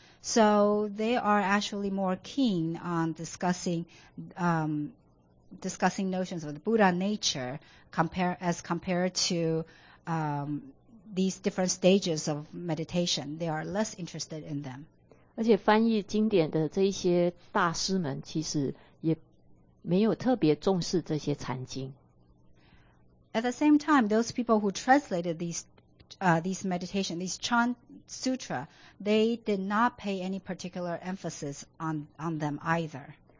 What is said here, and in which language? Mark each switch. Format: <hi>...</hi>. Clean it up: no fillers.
<en>So they are actually more keen on discussing notions of the Buddha nature compared to these different stages of meditation, they are less interested in them.</en> <zh>而且翻译经典的这一些大师们其实也没有特别重视这些禅经。</zh> <en>At the same time, those people who translated these meditation, these Chan Sutra, they did not pay any particular emphasis on them either.</en>